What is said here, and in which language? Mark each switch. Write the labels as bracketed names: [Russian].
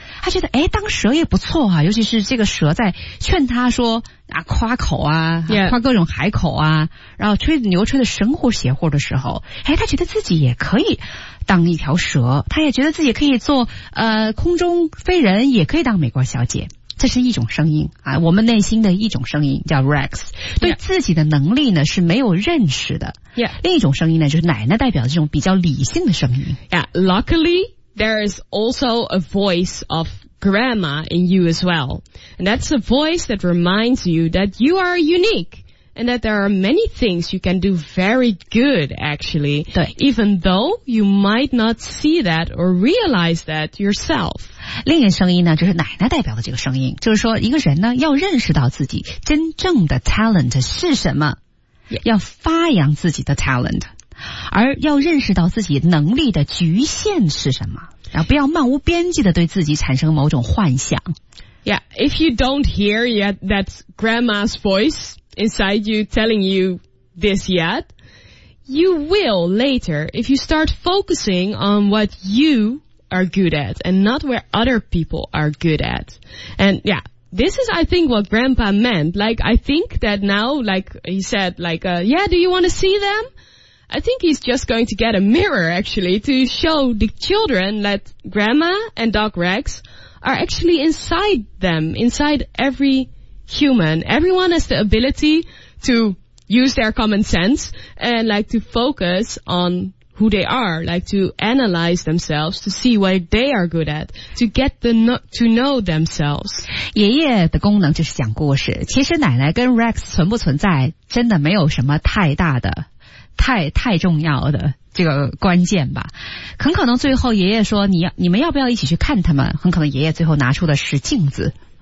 [Chinese] 他觉得诶，当蛇也不错啊，尤其是这个蛇在劝他说啊，夸口啊，夸各种海口啊，然后吹牛吹的神乎邪乎的时候，诶，他觉得自己也可以当一条蛇，他也觉得自己可以做空中飞人，也可以当美国小姐。这是一种声音啊，我们内心的一种声音叫 Rex， 对自己的能力呢是没有认识的。另一种声音呢，就是奶奶代表这种比较理性的声音。 [English] Luckily there is also a voice of grandma in you as well, and that's a voice that reminds you that you are unique and that there are many things you can do very good actually, even though you might not see that or realize that yourself. [Chinese] 另一个声音呢，就是奶奶代表的这个声音，就是说一个人呢要认识到自己真正的 talent 是什么，要发扬自己的 talent，而要认识到自己能力的局限是什么，然后不要漫无边际的对自己产生某种幻想。 [English] Yeah, if you don't hear yet that grandma's voice inside you telling you this yet, you will later if you start focusing on what you are good at and not where other people are good at. And yeah,this is, I think, what grandpa meant. Like, I think that now, like he said, like, do you want to see them? I think he's just going to get a mirror, actually, to show the children that grandma and dog Rex are actually inside them, inside every human. Everyone has the ability to use their common sense and, like, to focus on who they are, like, to analyze themselves, to see what they are good at, to get to know themselves. [Chinese] 爷爷的功能就是讲故事。其实奶奶跟 Rex 存不存在真的没有什么太大的太重要的这个关键吧。很可能最后爷爷说你们要不要一起去看他们，很可能爷爷最后拿出的是镜子。